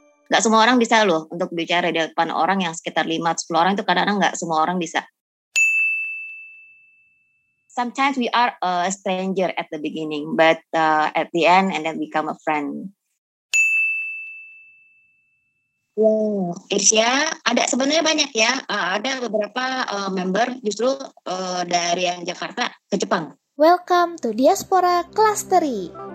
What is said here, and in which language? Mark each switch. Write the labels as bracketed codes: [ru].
[id] Gak semua orang bisa loh untuk bicara di depan orang yang sekitar 5-10 orang, itu kadang-kadang gak semua orang bisa. [en] Sometimes we are a stranger at the beginning, but at the end, and then become a friend. [id] Wow, Irsya, ada sebenarnya banyak ya. Ada beberapa member justru dari yang Jakarta ke Jepang. [en] Welcome to Diaspora Clustery.